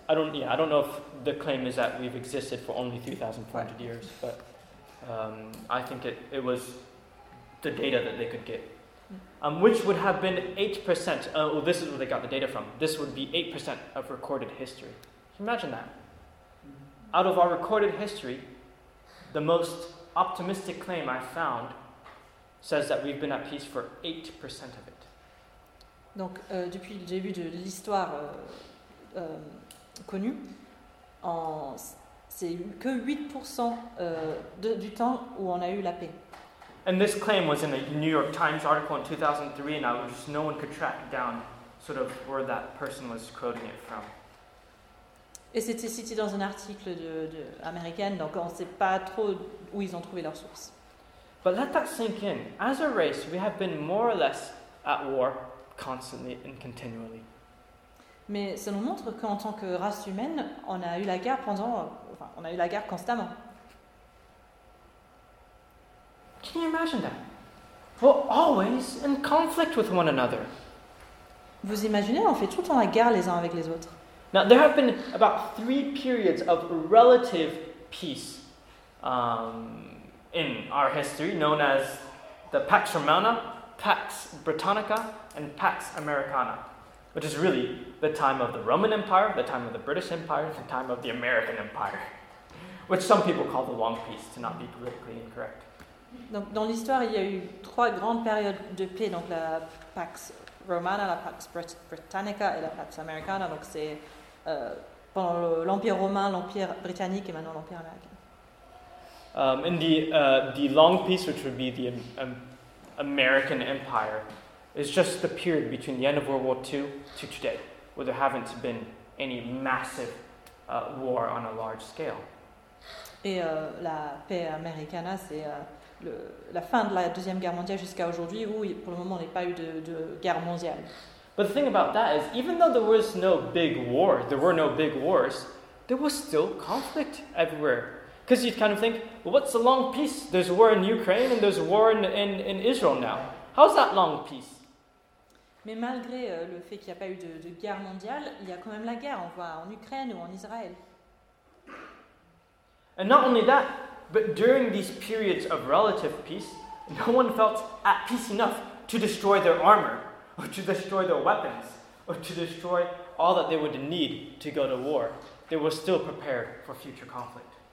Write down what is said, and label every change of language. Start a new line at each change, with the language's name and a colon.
English: I don't know if the claim is that we've existed for only 3,400 years, but I think it was the data that they could get. Which would have been 8%. Well, this is where they got the data from. This would be 8% of recorded history. Can you imagine that? Out of our recorded history, the most optimistic claim I found says that we've been at peace for 8% of it.
French: Donc, depuis le début de l'histoire connue, c'est que 8% du temps où on a eu la paix.
English: And this claim was in a New York Times article in 2003, and no one could track down sort of where that person was quoting it from.
French: Et c'était cité dans un article de américaine, donc on ne sait pas trop où ils ont trouvé leur source.
English: But let that sink in. As a race, we have been more or less at war constantly and continually.
French: Mais ça nous montre qu'en tant que race humaine, on a eu la guerre constamment.
English: Can you imagine that? We're always in conflict with one another.
French: Vous imaginez, on fait tout le temps la guerre les uns avec les autres.
English: Now, there have been about three periods of relative peace in our history, known as the Pax Romana, Pax Britannica, and Pax Americana, which is really the time of the Roman Empire, the time of the British Empire, the time of the American Empire, which some people call the Long Peace, to not be politically incorrect.
French: Donc, dans l'histoire, il y a eu trois grandes périodes de paix, donc la Pax Romana, la Pax Britannica et la Pax Americana. Donc, c'est pendant l'Empire romain, l'Empire britannique et maintenant l'Empire américain.
English: The Long Peace, which would be the American Empire, is just the period between the end of World War II to today, where there haven't been any massive war on a large scale.
French: Et la paix americana, c'est la fin de la Deuxième Guerre mondiale jusqu'à aujourd'hui, où pour le moment on n'a pas eu de guerre mondiale.
English: But the thing about that is, even though there was no big war, there were no big wars, there was still conflict everywhere. Because you'd kind of think, well, what's a long peace? There's a war in Ukraine and there's a war in Israel now. How's that long peace?
French: Mais malgré le fait qu'il n'y a pas eu de guerre mondiale, il y a quand même la guerre, on voit en Ukraine ou en Israël.
English: And not only that, but during these periods of relative peace, no one felt at peace enough to destroy their armor, or to destroy their weapons, or to destroy all that they would need to go to war. They were still prepared for future conflict.